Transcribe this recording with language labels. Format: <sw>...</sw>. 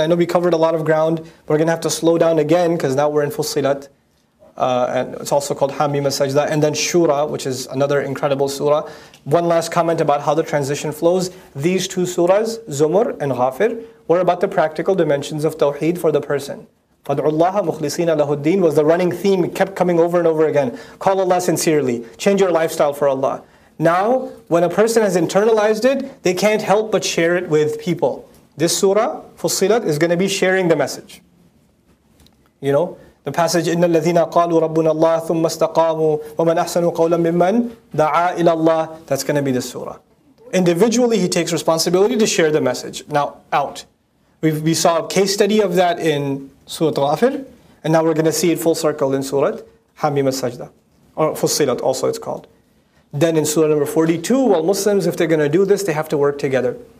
<en>I know we covered a lot of ground. We're going to have to slow down again because now we're in Fussilat. And it's also called Hamim al-Sajda. And then Shura, which is another incredible surah. One last comment about how the transition flows. These two surahs, Zumur and Ghafir, were about the practical dimensions of Tawheed for the person.</en> <ar>فَدْعُوا اللَّهَ مُخْلِصِينَ لَهُ الدِّينَ</ar> <en>was the running theme. It kept coming over and over again. Call Allah sincerely. Change your lifestyle for Allah. Now, when a person has internalized it, they can't help but share it with people. This surah, Fussilat, is going to be sharing the message. You know, the passage,</en> <ar>إِنَّ الَّذِينَ قَالُوا رَبُّنَ اللَّهُ ثُمَّ اسْتَقَامُوا وَمَنْ أَحْسَنُوا قَوْلًا مِمَّنْ دَعَى إِلَى اللَّهِ</ar> <en>That's going to be this surah. Individually, he takes responsibility to share the message. Now, out. We saw a case study of that in Surah Ghafir, and now we're going to see it full circle in Surah Hamim al-Sajda, or Fussilat also it's called. Then in Surah number 42, well, Muslims, if they're going to do this, they have to work together.</en>